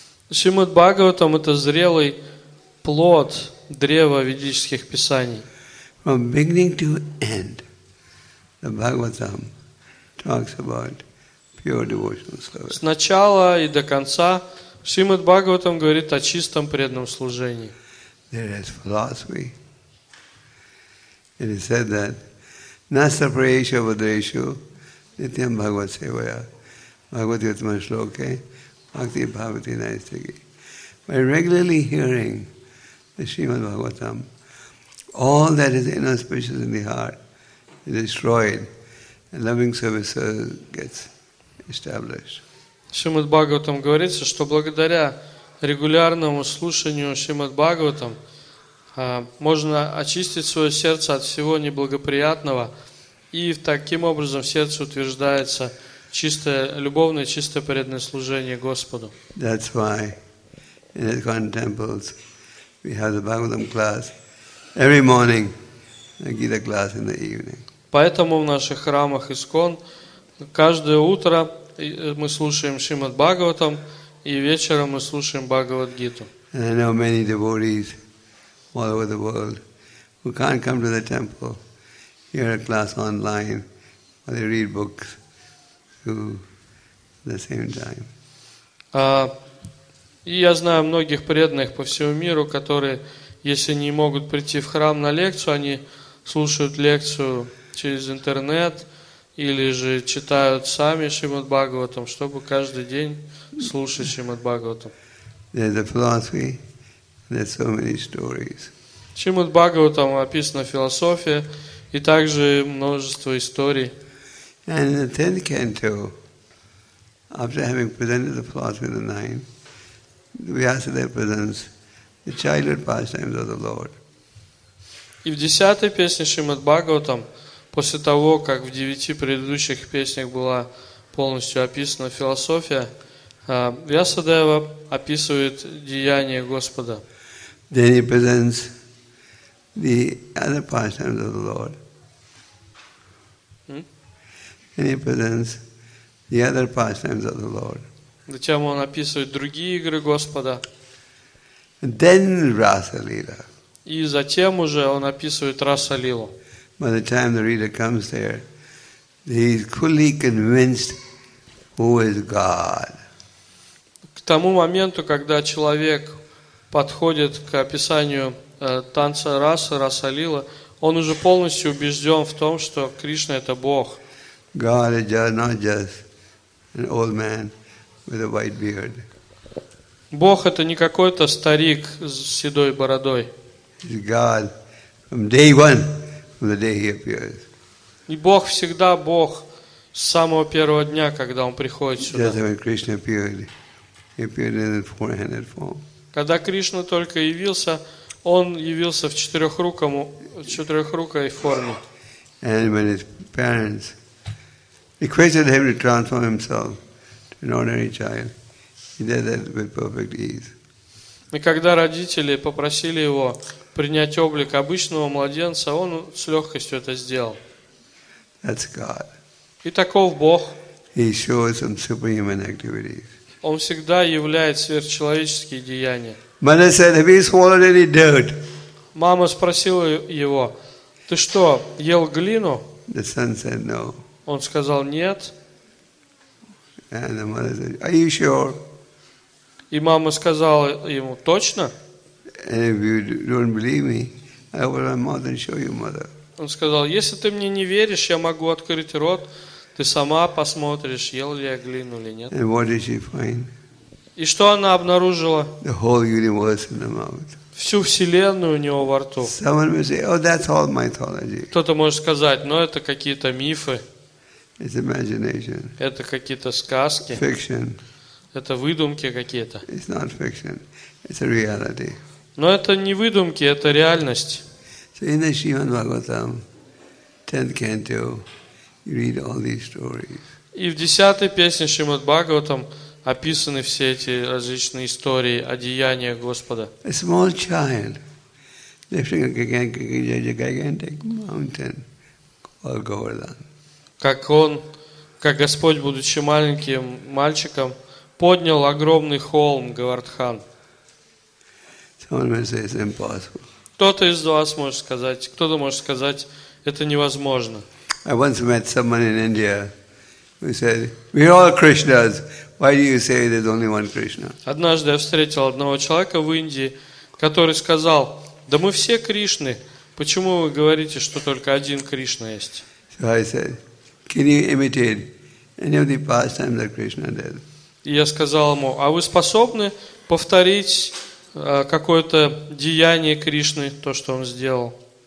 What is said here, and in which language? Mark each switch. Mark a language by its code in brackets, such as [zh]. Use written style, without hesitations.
[ru] Шримад Бхагаватам – это зрелый плод древа ведических писаний. [en] From beginning to end, the Bhagavatam talks about pure devotional service. [ru] С начала и до конца Шримад Бхагаватам говорит о чистом преданном служении. [en] There is philosophy. It is said that [sa] nasaprayesha vadreshu nityam bhagavat sevaya bhagavati yatma shloke Bhakti Bhavati Naistiki. [en] By regularly hearing the Srimad Bhagavatam, all that is inauspicious in the heart is destroyed and loving service gets established. [ru] Шримад Бхагаватам говорится, что благодаря регулярному слушанию Шримад Бхагаватам можно очистить свое сердце от всего неблагоприятного, и таким образом в сердце утверждается чистое, любовное, чистое преданное служение Господу. [en] That's why in the Khan temples we have the Bhagavatam class every morning and Gita class in the evening. [ru] Поэтому в наших храмах ИСКОН каждое утро мы слушаем Шримад Бхагаватам и вечером мы слушаем Бхагавад-гиту. [en] And I know many devotees all over the world who can't come to the temple hear a class online or they read books. At the same time. [ru] И я знаю многих преданных по всему миру, которые, если не могут прийти в храм на лекцию, они слушают лекцию через интернет или же читают сами Шримад Бхагаватам, чтобы каждый день слушать Шримад Бхагаватам. [en] There's a philosophy, there's so many stories. [ru] Шримад Бхагаватам описана философия и также множество историй. [en] And in the 10th canto, after having presented the philosophy of the nine, Vyasadeva presents The childhood pastimes of the Lord. [ru] И в десятой песне Шримад Бхагаватам, после того, как в девяти предыдущих песнях была полностью описана философия, Вьясадева описывает деяния Господа. [en] Then he presents the other pastimes of the Lord. And he presents the other pastimes of the Lord. [ru] Затем он описывает другие игры Господа. [en] And then Rasa-lila. [ru] И затем уже он описывает Раса-лилу. [en] By the time the reader comes there, he is fully convinced who is God. [ru] К тому моменту, когда человек подходит к описанию танца Расы, Раса-лила, он уже полностью убежден в том, что Кришна – это Бог. [en] God is just, not just an old man with a white beard. [ru] Бог – это не какой-то старик с седой бородой. [en] It's God from day one, from the day he appears. [ru] И Бог всегда Бог с самого первого дня, когда Он приходит сюда. [en] Just when Krishna appeared, He appeared in a four-handed form. [ru] Когда Кришна только явился, Он явился в четырехрукой форме. [en] And when His parents requested him to transform himself to an ordinary child. He did that with perfect ease. [ru] И когда родители попросили его принять облик обычного младенца, он с легкостью это сделал. [en] That's God. [ru] И таков Бог. [en] He shows some superhuman activities. [ru] Он всегда являет сверхчеловеческие деяния. [en] Mother said, "Have you swallowed any dirt?" [ru] Мама спросила его, "Ты что, ел глину?" [en] The son said, "No." [ru] Он сказал нет. [en] And the mother said, "Are you sure?" [ru] И мама сказала ему точно. [en] And if you don't believe me, I will open my mouth and show you, mother. [ru] Он сказал, если ты мне не веришь, я могу открыть рот, ты сама посмотришь, ел ли я глину или нет. [en] And what did she find? [ru] И что она обнаружила? [en] The whole universe in the mouth. [ru] Всю вселенную у него во рту. [en] Someone will say, "Oh, that's all mythology." [ru] Кто-то может сказать, но это какие-то мифы. [en] It's imagination. [ru] Это какие-то сказки. [en] Fiction. [ru] Это выдумки какие-то. [en] It's not fiction. It's a reality. [ru] Но это не выдумки, это реальность. [en] So in the Shrimad Bhagavatam, 10th canto, you read all these stories. [ru] И в десятой песне Шримад Бхагаватам описаны все эти различные истории о деяниях Господа. [en] A small child lifting a gigantic mountain called Govardhan. [ru] Как он, как Господь, будучи маленьким мальчиком, поднял огромный холм Говардхан. Кто-то из вас может сказать, кто-то может сказать, это невозможно. [en] I once met someone in India who said, "We are all Krishnas. Why do you say there's only one Krishna?" [ru] Однажды я встретил одного человека в Индии, который сказал, "Да мы все Кришны. Почему вы говорите, что только один Кришна есть?" [en] So I said, "Can you imitate any of the pastimes that Krishna did?" [ru] И я сказал ему, а вы способны повторить какое-то деяние Кришны, то, что он сделал?